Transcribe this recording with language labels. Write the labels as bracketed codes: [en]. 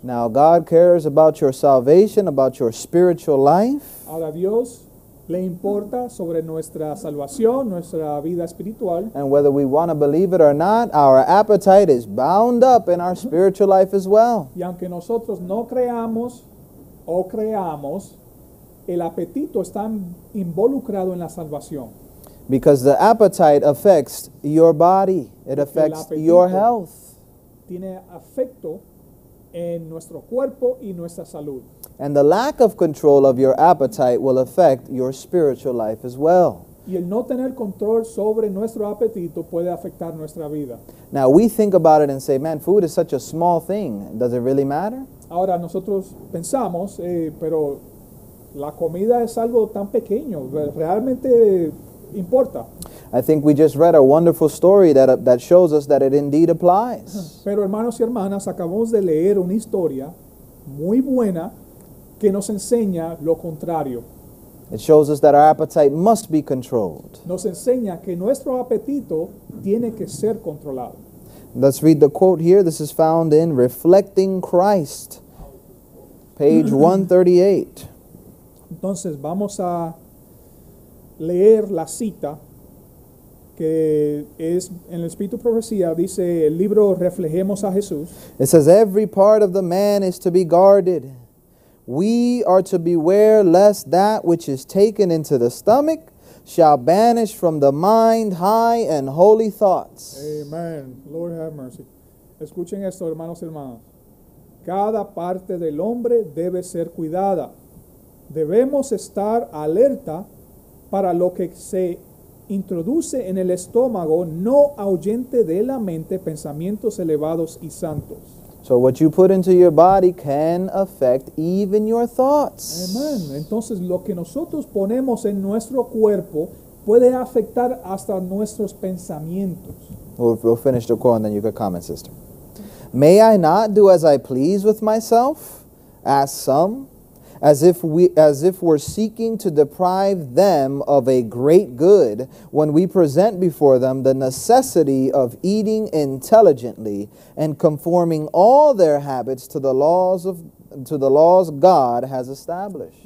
[en] Now God cares about your salvation, about your spiritual life. [es] Ahora Dios le importa sobre nuestra salvación, nuestra vida espiritual. [en] And whether we want to believe it or not, our appetite is bound up in our spiritual life as well. [es] Y aunque nosotros no creamos o creamos, el apetito está involucrado en la salvación. [en] Because the appetite affects your body, it affects your health. [es] Tiene efecto en nuestro cuerpo y nuestra salud. [en] And the lack of control of your appetite will affect your spiritual life as well. [es] Y el no tener control sobre nuestro apetito puede afectar nuestra vida. [en] Now we think about it and say, man, food is such a small thing. Does it really matter? [es] Ahora nosotros pensamos, pero la comida es algo tan pequeño. Realmente importa. [en] I think we just read a wonderful story that shows us that it indeed applies. [es] Pero hermanos y hermanas, acabamos de leer una historia muy buena que nos enseña lo contrario. [en] It shows us that our appetite must be controlled. [es] Nos enseña que nuestro apetito tiene que ser controlado. [en] Let's read the quote here. This is found in Reflecting Christ, page 138. [es] Entonces vamos a leer la cita que es en el Espíritu Profecía, dice el libro Reflejemos a Jesús. [en] It says, every part of the man is to be guarded. We are to beware lest that which is taken into the stomach shall banish from the mind high and holy thoughts. Amen. Lord have mercy. [es] Escuchen esto, hermanos y hermanas. Cada parte del hombre debe ser cuidada. Debemos estar alerta para lo que se introduce en el estómago, no ahuyente de la mente pensamientos elevados y santos. [en] So what you put into your body can affect even your thoughts. Amen. [es] Entonces lo que nosotros ponemos en nuestro cuerpo puede afectar hasta nuestros pensamientos. [en] We'll finish the quote and then you can comment, sister. May I not do as I please with myself? Ask some. As if we're seeking to deprive them of a great good when we present before them the necessity of eating intelligently and conforming all their habits to the laws God has established.